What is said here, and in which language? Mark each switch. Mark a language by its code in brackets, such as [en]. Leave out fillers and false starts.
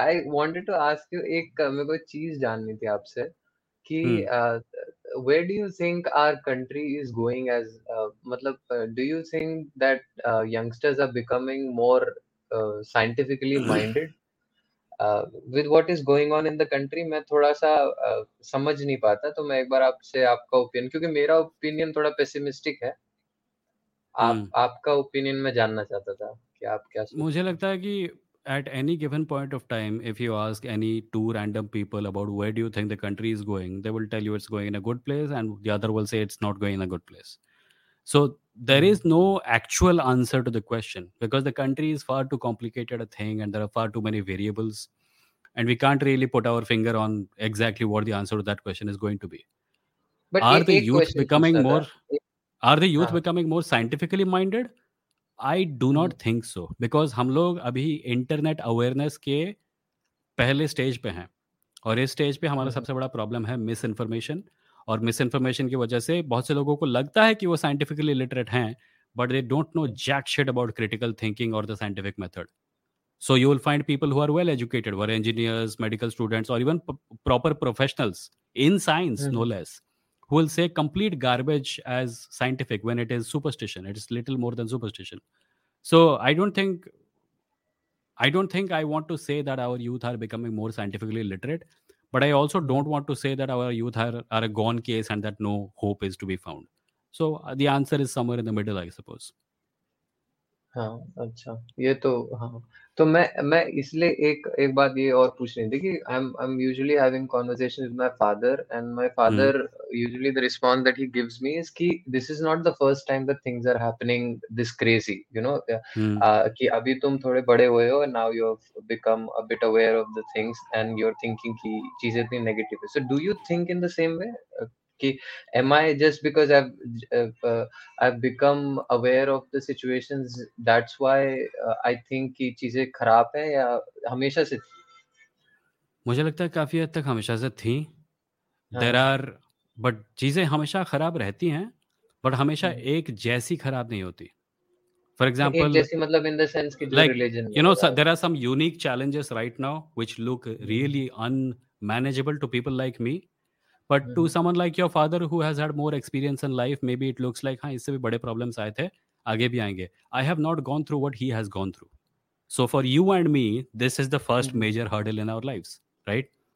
[en] I wanted to ask you [hi] एक मेरे को चीज जाननी थी आपसे कि [en] where do you think our country is going as [hi] मतलब [en] do you think that youngsters are becoming more scientifically minded with what is going on in the country [hi] मैं थोड़ा सा समझ नहीं पाता तो मैं एक बार आपसे आपका ओपिनियन क्योंकि मेरा ओपिनियन थोड़ा पेसिमिस्टिक है आपका ओपिनियन मैं जानना चाहता था मुझे लगता है कि [en] At any given point of time if you ask any two random people about where do you think the country is going they will tell you it's going in a good place and the other will say it's not going in a good place so there is no actual answer to the question, because the country is far too complicated a thing and there are far too many variables, and we can't really put our finger on exactly what the answer to that question is going to be. But are the youth becoming more scientifically minded? I do not think so, because [hi] hum log abhi internet awareness ke pehle stage pe hain, aur is stage pe hamara sabse bada problem hai misinformation. और miss information की वजह से बहुत से लोगों को लगता है कि वो साइंटिफिकली लिटरेट हैं, [en] But they don't know jack shit about critical thinking और the scientific method. So you will find people who are well educated, were engineers, medical students, और even proper professionals in science no less, who will say complete garbage as scientific when it is superstition. It is little more than superstition. So I don't think I want to say that our youth are becoming more scientifically literate. But I also don't want to say that our youth are a gone case and that no hope is to be found. So the answer is somewhere in the middle, I suppose. [hi] हाँ अच्छा ये तो हाँ तो मैं इसलिए एक बात ये और पूछ रही थी कि [en] I'm usually having conversation with my father and my father usually the response that he gives me is कि this is not the first time that things are happening this crazy, you know, [hi] कि अभी तुम थोड़े बड़े हुए हो [en] and now you have become a bit aware of the things and you're thinking [hi] कि चीजें इतनी negative है. [en] So do you think in the same way? कि am I just because I've become aware of the situations, that's why I think [hi] कि चीजें खराब हैं या हमेशा से थी? मुझे लगता है काफी हद तक हमेशा से थी. [en] There are, but [hi] चीजें हमेशा खराब रहती हैं, but हमेशा एक जैसी खराब नहीं होती. [en] For example, [hi] एक जैसी मतलब [en] in the sense [hi] कि [en] like religion, you know, there are some unique challenges right now which look really unmanageable to people like me. But to someone like your father who has had more experience in life, maybe it looks like, [hi] haan, isse bhi bade problems aaye the, aage bhi aayenge. [en] I have not gone through what he has gone through. So for you and me, this is the first major hurdle in our lives, right?